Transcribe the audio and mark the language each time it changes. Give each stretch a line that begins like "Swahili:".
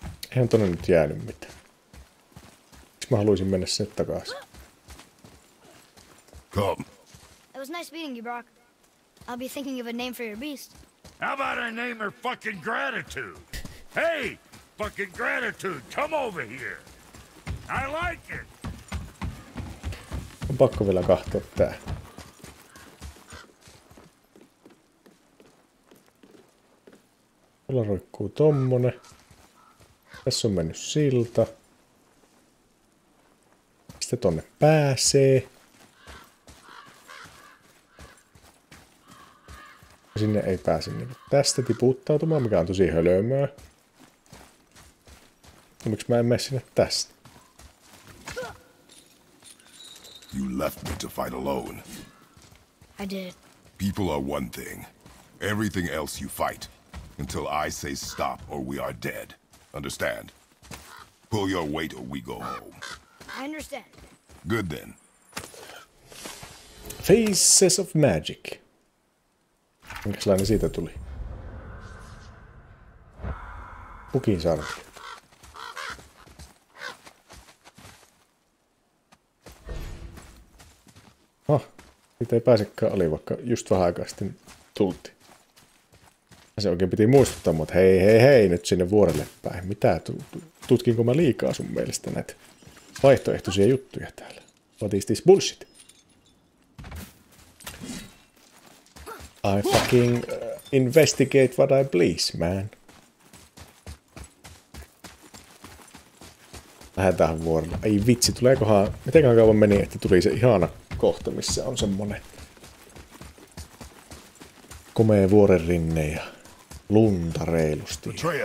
Finnish: Eihän tonne nyt jäänyt mitään. Miks mä haluisin mennä sinne takaisin?
English: Come. It was nice meeting you, Brock. I'll be thinking of a name for your beast. How about I name her fucking Gratitude? Hey, fucking gratitude. Come over here. I like it.
Finnish: On pakko vielä kahtoa tää. Tuolla roikkuu tommonen. Tässä on mennyt silta. Sitten tonne pääsee. Sinne ei pääse niin tästä tiputtautumaan, mikä on tosi hölömöä. No, miksi mä en mene sinne tästä?
English: You left me to fight alone. I did. People are one thing. Everything else you fight. Until I say stop or we are dead. Understand? Pull your weight or we go home. I understand. Good then. Faces of Magic.
Finnish: Minkälainen siitä tuli? Pukin sarvi. Oh, siitä ei pääsekään oli, vaikka just vähän aikaa sitten tulti. Se oikein piti muistuttaa, mutta hei hei hei, nyt sinne vuorelle päin. Mitä, tutkinko mä liikaa sun mielestä näitä vaihtoehtoisia juttuja täällä?
English: What is this bullshit? I fucking investigate what I please, man.
Finnish: Lähden tähän vuorelle. Ei vitsi, tuleekohan, mitenkään kauan meni, että tuli se ihana kohta, missä on semmonen komea vuoren rinne ja lunta reilusti.